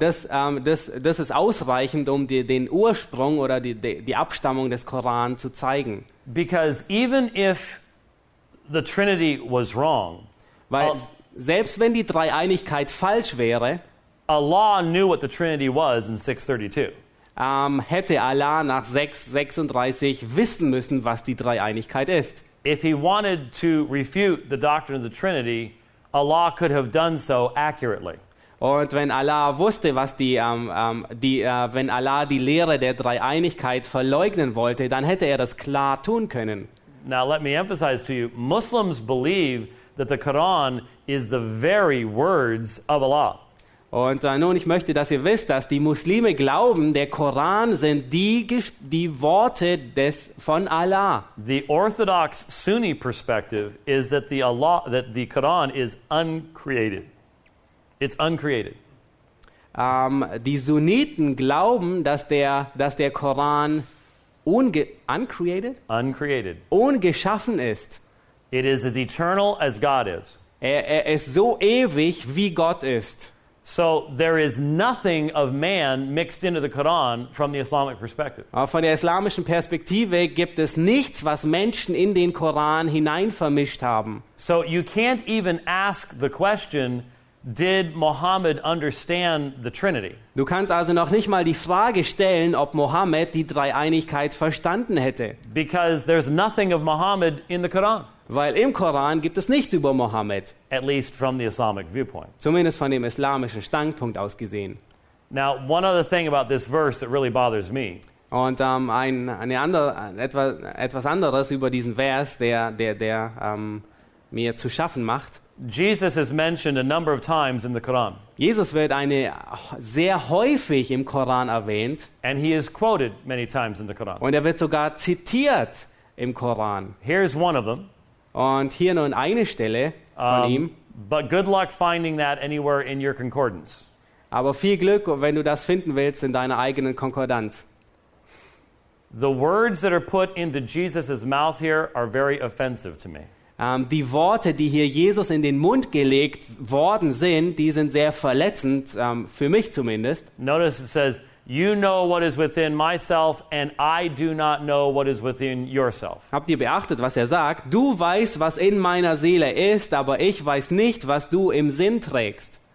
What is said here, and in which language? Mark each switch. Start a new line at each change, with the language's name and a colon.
German: Das ist ausreichend, um den Ursprung oder die Abstammung des Koran zu zeigen.
English: Because even if the Trinity was wrong,
German: weil selbst wenn die Dreieinigkeit falsch wäre,
English: Allah knew what the Trinity was in 632.
German: Hätte Allah nach 636 wissen müssen, was die Dreieinigkeit ist.
English: If he wanted to refute the doctrine of the Trinity, Allah could have done so accurately.
German: Und wenn Allah wusste, was wenn Allah die Lehre der Dreieinigkeit verleugnen wollte, dann hätte er das klar tun können.
English: Now let me emphasize to you, Muslims believe that the Quran is the very words of Allah.
German: Und nun, ich möchte, dass ihr wisst, dass die Muslime glauben, der Koran sind die Worte von Allah.
English: The orthodox Sunni perspective is that the Quran is uncreated. It's uncreated.
German: Die Sunniten glauben, dass der Koran
English: uncreated.
German: Ungeschaffen ist.
English: It is as eternal as God is.
German: Er ist so ewig, wie Gott ist.
English: So there is nothing of man mixed into the Quran from the Islamic perspective.
German: Von der islamischen Perspektive gibt es nichts, was Menschen in den Koran hineinvermischt haben.
English: So you can't even ask the question, did Muhammad understand the Trinity?
German: Du kannst also noch nicht mal die Frage stellen, ob Mohammed die Dreieinigkeit verstanden hätte.
English: Because there's nothing of Muhammad in the Quran.
German: Weil im Koran gibt es nichts über Mohammed.
English: At least from the Islamic viewpoint.
German: Zumindest von dem islamischen Standpunkt aus gesehen.
English: Now, one other thing about this verse that really bothers me.
German: Und etwas anderes über diesen Vers, der mir zu schaffen macht.
English: Jesus is mentioned a number of times in the Quran.
German: Jesus wird sehr häufig im Koran erwähnt.
English: And he is quoted many times in the Quran.
German: Und wird sogar zitiert im Koran.
English: Here's one of them.
German: Und hier nun eine Stelle von ihm.
English: But good luck finding that anywhere in your concordance.
German: Aber viel Glück, wenn du das finden willst in deiner eigenen Konkordanz.
English: The words that are put into Jesus's mouth here are very offensive to me.
German: Die Worte, die hier Jesus in den Mund gelegt worden sind, die sind sehr verletzend, für mich zumindest.
English: Notice it says, you know what is within myself and I do not know what is within yourself.
German: Habt ihr beachtet, was er sagt? Du weißt, was in meiner Seele ist, aber ich weiß nicht, was du im Sinn trägst.